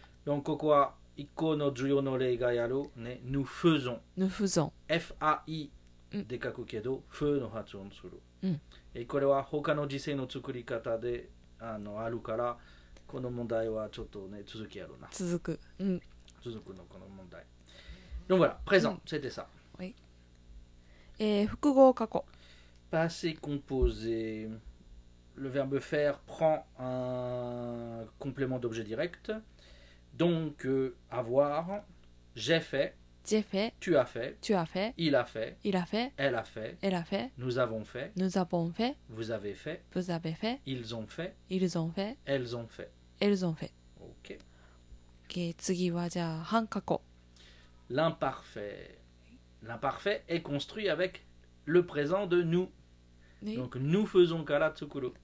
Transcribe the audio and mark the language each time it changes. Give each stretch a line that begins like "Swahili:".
Japanese: Donc, ここは一個の重要の例がやろうね。
French: Nous faisons. Nous faisons.
Japanese: F-A-I で書くけど、フの発音する。うん。え、これは他の時制の作り方で、あるから、この問題はちょっとね、続きやろうな。続く。うん。続くのこの問題。
French: Donc voilà, présent, c'était ça.
Japanese: Oui. Fukugo kako.
French: Passé composé. Le verbe faire prend un complément d'objet direct. Donc, avoir, j'ai fait, j'ai fait, tu as fait, tu as fait, il a fait, il a fait, elle a fait, elle a fait, nous avons fait, nous avons fait, vous avez fait, vous avez fait, ils ont fait, ils ont fait, elles ont fait, elles ont fait. Ok.
Japanese: Ok, 次はじゃあ半過去。
French: L'imparfait. L'imparfait est construit avec le présent de nous. Oui. Donc, nous faisons
Japanese: kara tsukuru.